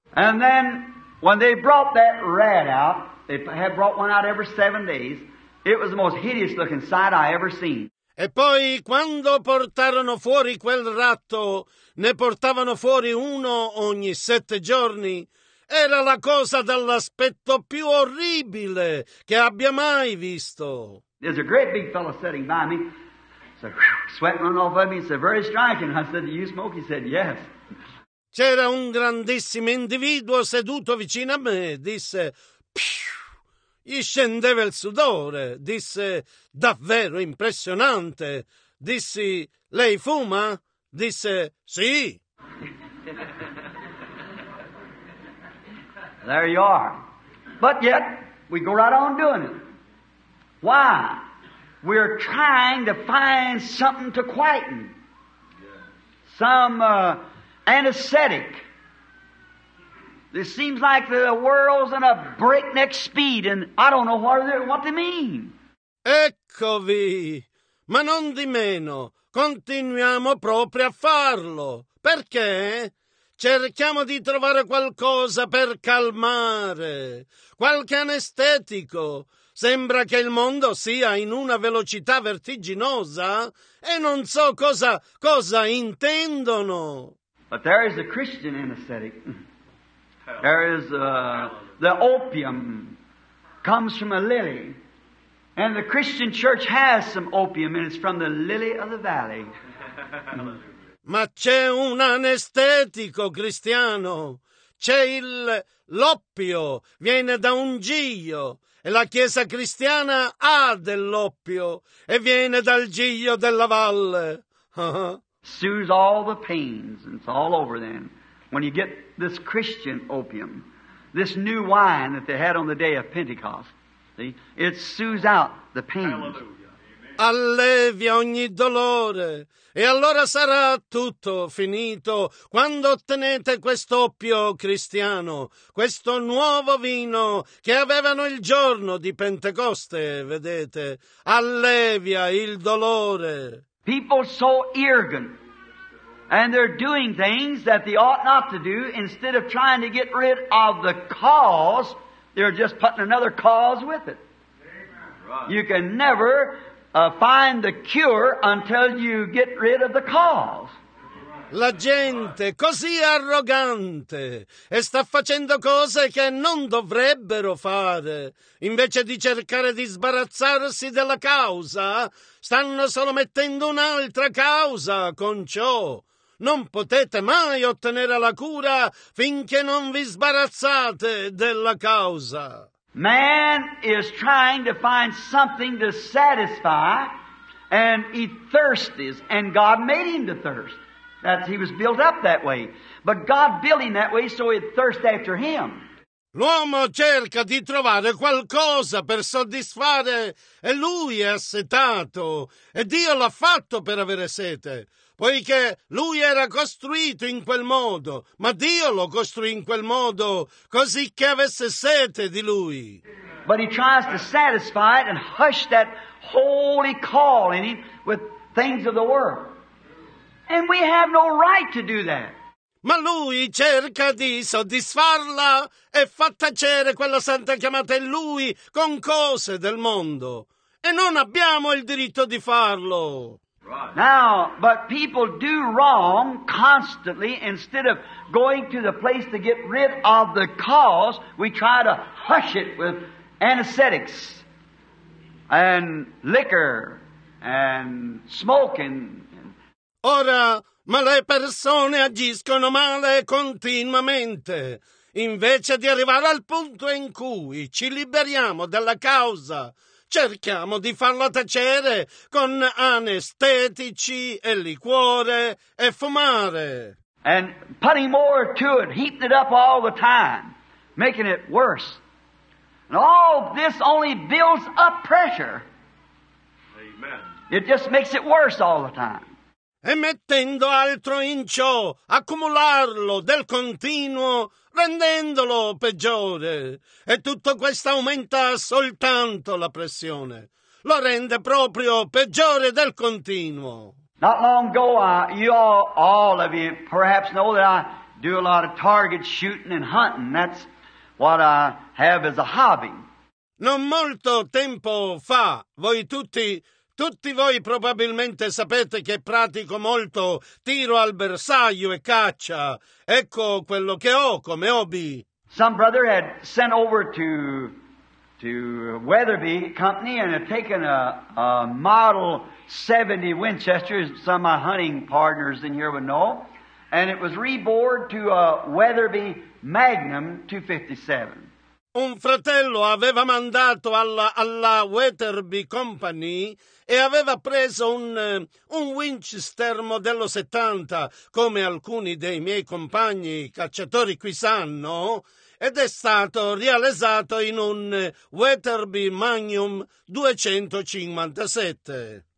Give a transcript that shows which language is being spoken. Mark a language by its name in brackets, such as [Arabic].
[English] And then, when they brought that rat out, they had brought one out every 7 days, it was the most hideous looking sight I ever seen. [Italian] E poi, quando portarono fuori quel ratto, ne portavano fuori uno ogni 7 giorni, era la cosa dall'aspetto più orribile che abbia mai visto. [English] There's a great big fellow sitting by me. Sweat running off of me, said, very striking. I said, do you smoke? He said, yes. [Italian] C'era un grandissimo individuo seduto vicino a me, disse, pfiu, gli scendeva il sudore, disse, davvero impressionante. Dissi, lei fuma? Disse, sì. [English] There you are. But yet, we go right on doing it. Why? We're trying to find something to quieten, some anesthetic. It seems like the world's in a breakneck speed, and I don't know what they mean. [Italian] Eccovi! Ma non di meno, continuiamo proprio a farlo. Perché? Cerchiamo di trovare qualcosa per calmare, qualche anestetico. Sembra che il mondo sia in una velocità vertiginosa e non so cosa intendono. [English] But there is a Christian anesthetic. There is the opium comes from a lily. And the Christian church has some opium and it's from the lily of the valley. [Italian] Ma c'è un anestetico cristiano. C'è l'oppio, viene da un giglio. E la Chiesa cristiana ha dell'oppio e viene dal giglio della valle. [English] Soothes all the pains, and it's all over then. When you get this Christian opium, this new wine that they had on the day of Pentecost, see, it soothes out the pains. [Italian] Allevia ogni dolore, e allora sarà tutto finito quando ottenete quest'oppio cristiano, questo nuovo vino che avevano il giorno di Pentecoste, vedete? Allevia il dolore. [English] People so arrogant, and they're doing things that they ought not to do, instead of trying to get rid of the cause, they're just putting another cause with it. You can never find the cure until you get rid of the cause. [Italian] La gente così arrogante e sta facendo cose che non dovrebbero fare. Invece di cercare di sbarazzarsi della causa, stanno solo mettendo un'altra causa con ciò. Non potete mai ottenere la cura finché non vi sbarazzate della causa. [English] Man is trying to find something to satisfy, and he thirsts, and God made him to thirst. That he was built up that way. But God built him that way so he'd thirst after him. [Italian] L'uomo cerca di trovare qualcosa per soddisfare, e lui è assetato, e Dio l'ha fatto per avere sete, poiché lui era costruito in quel modo, ma Dio lo costruì in quel modo, così che avesse sete di lui. [English] But he tries to satisfy it and hush that holy call in him with things of the world. And we have no right to do that. [Italian] Ma lui cerca di soddisfarla e fa tacere quella santa chiamata in lui con cose del mondo. E non abbiamo il diritto di farlo. [English] Now, but people do wrong constantly. Instead of going to the place to get rid of the cause, we try to hush it with anesthetics and liquor and smoking. [Italian] Ora, ma le persone agiscono male continuamente. Invece di arrivare al punto in cui ci liberiamo dalla causa, cerchiamo di farla tacere con anestetici e liquore e fumare. [English] And putting more to it, heating it up all the time, making it worse. And all this only builds up pressure. Amen. It just makes it worse all the time. [Italian] E mettendo altro in ciò, accumularlo del continuo, rendendolo peggiore. E tutto questo aumenta soltanto la pressione. Lo rende proprio peggiore del continuo. [English] Not long ago, you all of you perhaps know that I do a lot of target shooting and hunting. That's what I have as a hobby. [Italian] Non molto tempo fa, tutti voi probabilmente sapete che pratico molto tiro al bersaglio e caccia. Ecco quello che ho come hobby. [English] Some brother had sent over to Weatherby Company and had taken a model 70 Winchester, some of my hunting partners in here would know, and it was reboard to a Weatherby Magnum 257. [Italian] Un fratello aveva mandato alla Weatherby Company e aveva preso un Winchester modello 70, come alcuni dei miei compagni cacciatori qui sanno, ed è stato realizzato in un Weatherby Magnum 257.